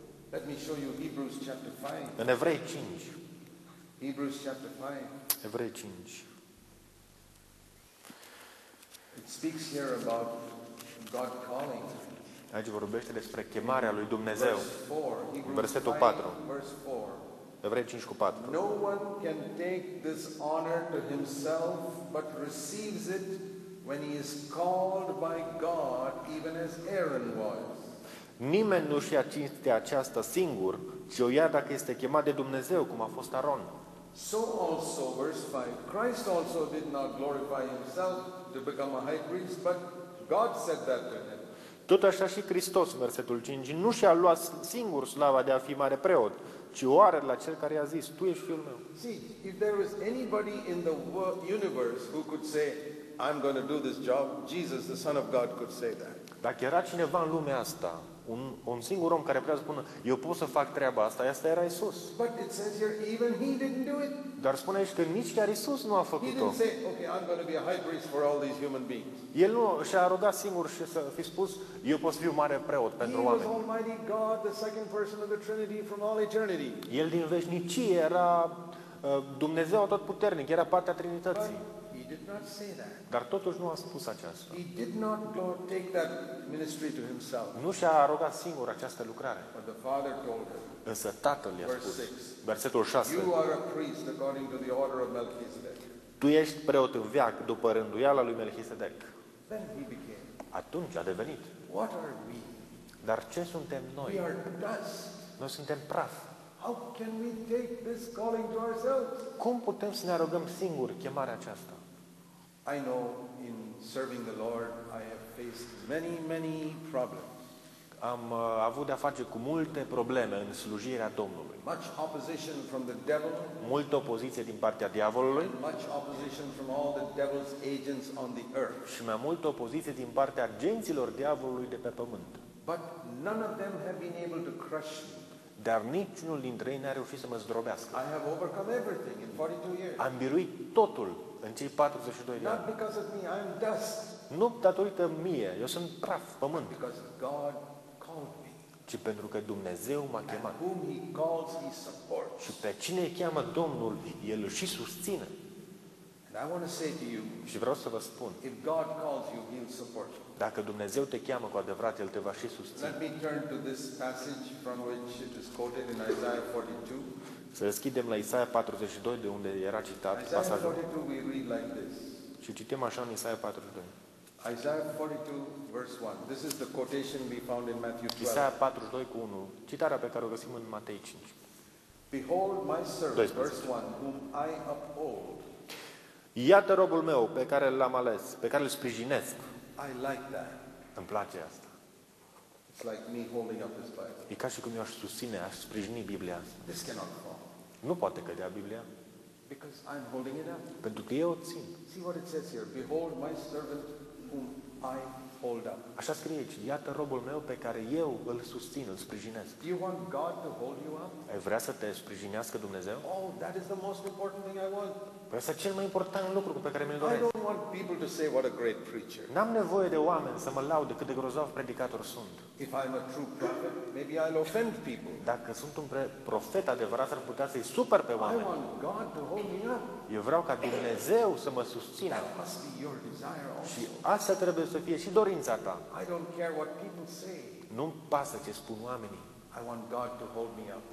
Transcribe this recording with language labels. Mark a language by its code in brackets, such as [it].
[en] Let me show you Hebrews chapter 5. [ro] În Evrei 5. [en] Hebrews chapter 5. [ro] Evrei 5. [en] It speaks here about God calling. [ro] Aici vorbește despre chemarea lui Dumnezeu. Versetul 4. Evrei 5 cu 4. [en] No one can take this honor to himself, but receives it when he is called by God, even as Aaron was. [ro] Nimeni nu își ia cinstea aceasta singur, ci o ia dacă este chemat de Dumnezeu, cum a fost Aaron. [en] So also, verse 5, Christ also did not glorify himself to become a high priest, but God said that to him. [ro] Tot așa și Hristos, versetul 5, nu și-a luat singur slava de a fi mare preot, ci o are la cel care i-a zis, tu ești fiul meu. [en] See, if there was anybody in the universe who could say, I'm going to do this job, Jesus, the Son of God, could say that. [ro] Dacă era cineva în lumea asta, un singur om care putea spune, eu pot să fac treaba asta, asta era Iisus. [en] But it says here, even he didn't do it. [ro] Dar spune aici că nici chiar Iisus nu a făcut-o. [en] He didn't say, okay, I'm going to be a high priest for all these human beings. [ro] El nu și-a rugat singur și să fi spus, eu pot să fiu mare preot pentru oameni. [en] He was Almighty God, the second person of the Trinity from all eternity. [ro] El din veșnicie era Dumnezeu atotputernic, era partea Trinității. [en] But he did not say that. [ro] Dar totuși nu a spus aceasta. [en] He did not go take that ministry to himself. [ro] Nu și-a rugat singur această lucrare. [en] But the Father told him. [ro] Însă Tatăl i-a spus. Versetul 6. [en] You are a priest according to the order of Melchizedek. [ro] Tu ești preot în veac după rânduiala lui Melchisedec. [en] Then he became. [ro] Atunci a devenit. [en] What are we? [ro] Dar ce suntem noi? [en] We are dust. [ro] Noi suntem praf. [en] How can we take this calling to ourselves? [ro] Cum putem să ne arogăm singuri chemarea aceasta? [en] I know in serving the Lord I have faced many, many problems. [ro] Am avut de-a face cu multe probleme în slujirea Domnului. [en] Much opposition from the devil. [ro] Multă opoziție din partea diavolului. [en] Much opposition from all the devil's agents on the earth. [ro] Și mai multă opoziție din partea agenților diavolului de pe pământ. [en] But none of them have been able to crush me. [ro] Dar niciunul dintre ei n-a reușit să mă zdrobească. [en] I have overcome everything in 42 years. [ro] Am biruit totul în cei 42 de ani. [en] Not because of me, I'm dust. [ro] Nu datorită mie, eu sunt praf, pământ. [en] Because God called me. [ro] Ci pentru că Dumnezeu m-a chemat. [en] And whom he calls, he supports. [ro] Și pe cine îi cheamă Domnul, el își susține. [en] And I want to say to you, [ro] și vreau să vă spun, [en] if God calls you, he'll support you. [ro] Dacă Dumnezeu te cheamă cu adevărat, el te va și susține. [en] Let me turn to this passage from which it is quoted in Isaiah 42. [ro] Să deschidem la Isaia 42, de unde era citat [en] Isaiah [ro] pasajul. [en] 42, we read like this. [ro] Și citim așa în Isaia 42. [en] Isaiah 42 verse 1. This is the quotation we found in Matthew 12. [ro] Isaia 42 cu 1. Citarea pe care o găsim în Matei 5. [en] Behold my servant, verse 1, whom I uphold. [ro] Iată robul meu pe care l-am ales, pe care îl sprijinesc. [en] I like that. [ro] Îmi place asta. [en] It's like me holding up this Bible. [ro] E ca și cum eu aș susține, aș sprijini Biblia. [en] This cannot fall. [ro] Nu poate cădea Biblia. [en] Because I'm holding it up. [ro] Pentru că eu o țin. [en] See what it says here. Behold my servant whom I hold up. [ro] Așa scrie aici, iată robul meu pe care eu îl susțin, îl sprijinesc. [en] Do you want God to hold you up? [ro] Ai vrea să te sprijinească Dumnezeu? [en] Oh, that is the most important thing I want. [ro] Păi asta e cel mai important lucru pe care mi-l doresc. [en] I don't want people to say what a great preacher. [ro] N-am nevoie de oameni să mă laude cât de grozav predicator sunt. [en] If I'm a true prophet, maybe I'll offend people. [ro] Dacă sunt un profet adevărat, ar putea să-i supăr pe oameni. [en] I want God to hold me up. [ro] Eu vreau ca Dumnezeu să mă susțină. [en] That must be your desire also. [ro] Și asta trebuie să fie și dorința ta. [en] I don't care what people say. [ro] Nu-mi pasă ce spun oamenii. [en] I want God to hold me up.